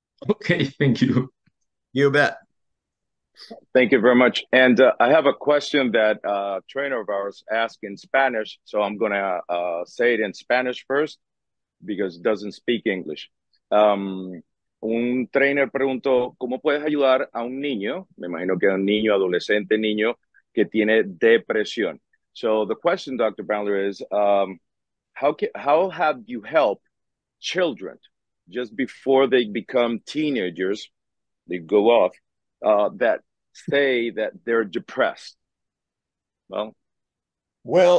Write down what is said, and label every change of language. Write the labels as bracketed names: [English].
[English] Okay, thank you. You bet. Thank you very much. And I have a question that a trainer of ours asked in Spanish. So I'm going to say it in Spanish first, because it doesn't speak English. [Spanish] Un trainer preguntó, ¿cómo puedes ayudar a un niño? Me imagino que un niño, adolescente, niño, que tiene depresión. [English] So the question, Dr. Brandler, is how have you helped children just before they become teenagers, they go off, that say that they're depressed? Well,